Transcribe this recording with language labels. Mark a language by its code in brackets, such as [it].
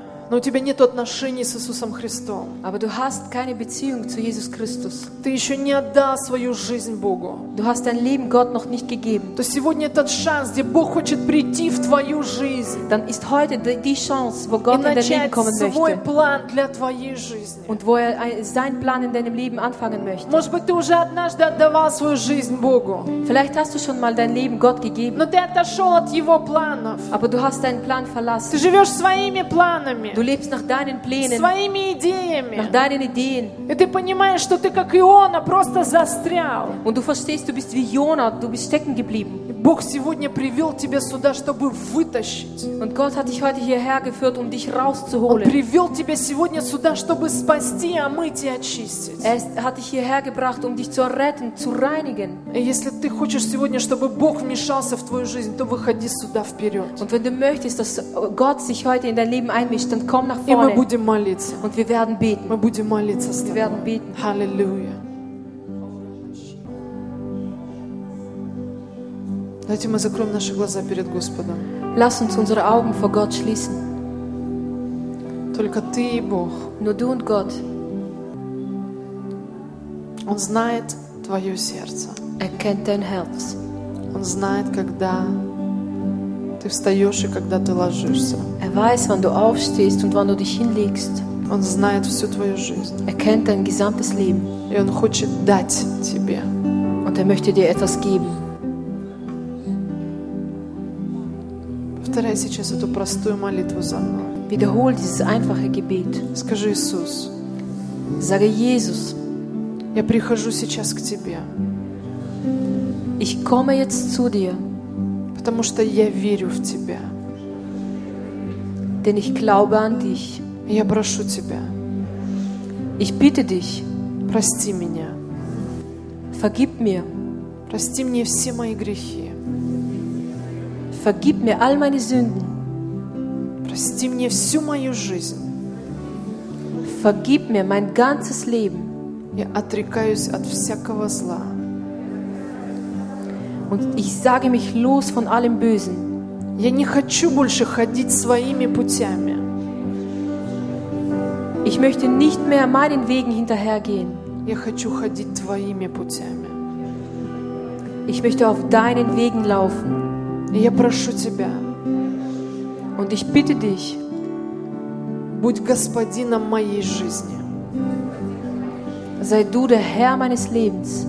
[ru] но у тебя нет отношений с Иисусом Христом, [de] aber du hast keine Beziehung zu Jesus Christus, [ru] ты еще не отдал свою жизнь Богу, [de] du hast dein Leben Gott noch nicht gegeben, [ru] то сегодня этот шанс, где Бог хочет прийти в твою жизнь, [de] dann ist heute die Chance, wo Gott in dein Leben kommen möchte, [ru] свой план для твоей жизни, [de] und wo er seinen Plan in deinem Leben anfangen möchte. [ru] Может быть, ты уже однажды отдавал свою жизнь Богу, [de] vielleicht hast du schon mal dein Leben Gott gegeben, [ru] но ты отошел от Его планов, [de] aber du hast deinen Plan verlassen, [ru] ты живешь своими планами. [de] Du lebst nach deinen Plänen, [ru] своими идеями, [de] nach deinen Ideen. [ru] И ты понимаешь, что ты как Иона просто застрял. [de] Und du verstehst, du bist wie Jona, du bist stecken geblieben. [ru] Бог сегодня привел тебя сюда, чтобы вытащить. [de] Und Gott hat dich heute hierher geführt, um dich rauszuholen. [ru] Он привел тебя сегодня сюда, чтобы спасти, омыть и очистить. [de] Er hat dich hierher gebracht, um dich zu retten, zu reinigen. [ru] И если ты хочешь сегодня, чтобы Бог вмешался в твою жизнь, то выходи сюда вперед. [de] Und wenn du möchtest, dass Gott sich heute in dein Leben einmischt, dann komm nach vorne. [ru] И мы будем молиться. [de] Und wir werden beten. [ru] Мы будем молиться. [de] Wir werden beten. Halleluja. [ru] Давайте мы закроем наши глаза перед Господом. [de] Lass uns unsere Augen vor Gott schließen. [ru] Только ты и Бог. [de] Nur du und Gott. [ru] Он знает твое сердце. [de] Er kennt dein Herz. [ru] Он знает, когда ты встаешь и когда ты ложишься. [de] Er weiß, wann du aufstehst und wann du dich hinlegst. [ru] Он знает всю твою жизнь. [de] Er kennt dein gesamtes Leben. [ru] И он хочет дать тебе. [de] Und er möchte dir etwas geben. [ru] Повторяй сейчас эту простую молитву за мной. [de] Wiederhol dieses einfache Gebet. [ru] Скажи, Иисус. [de] Sage, Jesus. [ru] Я прихожу сейчас к тебе. [de] Ich komme jetzt zu dir. [ru] Потому что я верю в тебя. [de] Denn ich glaube an dich. [ru] Я прошу тебя. [de] Ich bitte dich. [ru] Прости меня. [de] Vergib mir. [ru] Прости мне все мои грехи. [de] vergib mir all meine Sünden. [ru] Прости мне всю мою жизнь. [de] Vergib mir mein ganzes Leben. [ru] Я отрекаюсь от всякого зла. [de] Und ich sage mich los von allem Bösen. [ru] Я не хочу больше ходить своими путями. [de] Ich möchte nicht mehr meinen Wegen hinterhergehen. [ru] Я хочу ходить твоими путями. [de] Ich möchte auf deinen Wegen laufen. [ru] Я прошу тебя. [de] Und ich bitte dich. [ru] Будь господином моей жизни. [de] Sei du der Herr meines Lebens.